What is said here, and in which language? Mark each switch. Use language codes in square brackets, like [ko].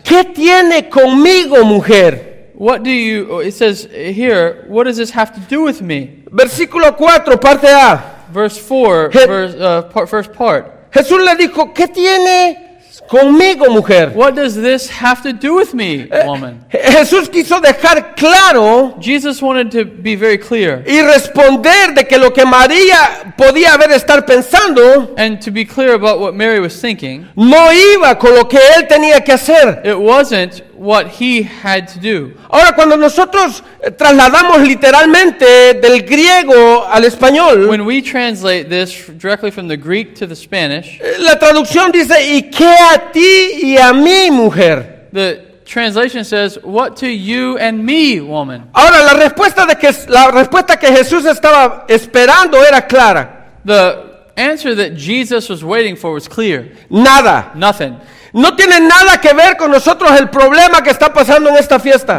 [es] ¿Qué tiene conmigo, mujer? [en] What do you, it says here, what does this have to do with me? [es] Versículo 4, parte A. [en] Verse 4, first part. [es] Jesús le dijo, ¿qué tiene conmigo, mujer? [en] What does this have to do with me, woman? [es] Jesús quiso dejar claro. [en] Jesus wanted to be very clear. [es] Y responder de que lo que María podía haber estar pensando. [en] And to be clear about what Mary was thinking. [es] No iba con lo que él tenía que hacer. [en] It wasn't what he had to do. [es] Ahora, cuando nosotros trasladamos literalmente del griego al español, [en] when we translate this directly from the Greek to the Spanish, [es] la traducción dice, ¿y qué a ti y a mí, mujer? [en] The translation says, what to you and me, woman? [es] Ahora, la respuesta que Jesús estaba esperando era clara. [en] The answer that Jesus was waiting for was clear. [es] Nada. [en] Nothing. [es] No tiene nada que ver con nosotros el problema que está pasando en esta fiesta.